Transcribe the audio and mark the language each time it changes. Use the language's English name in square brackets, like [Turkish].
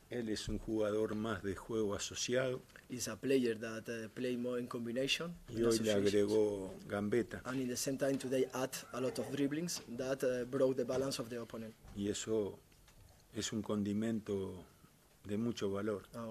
[Spanish] Él es un jugador más de juego asociado. [English] He's a player that play more in combination. [Spanish] Y hoy le agregó gambeta. [English] And in the same time today add a lot of dribblings that broke the balance of the opponent. [Spanish] Y eso es un condimento de mucho valor.